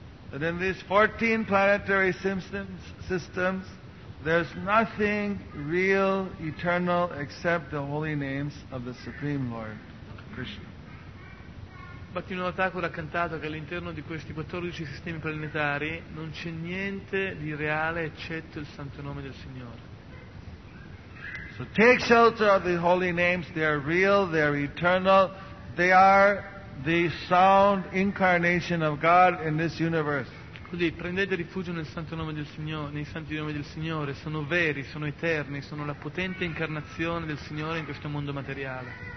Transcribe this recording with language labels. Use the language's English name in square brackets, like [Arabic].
[English] That in these 14 planetary systems, there's nothing real, eternal, except the holy names of the Supreme Lord, Krishna. [Italian] Bhaktivinoda Thakur ha cantato che all'interno di questi 14 sistemi planetari non c'è niente di reale eccetto il santo nome del Signore. [English] So take shelter of the holy names, they are real, they are eternal, they are the sound incarnation of God in this universe. [Italian] Così, prendete rifugio nel santo nome del Signore, nei santi nomi del Signore, sono veri, sono eterni, sono la potente incarnazione del Signore in questo mondo materiale.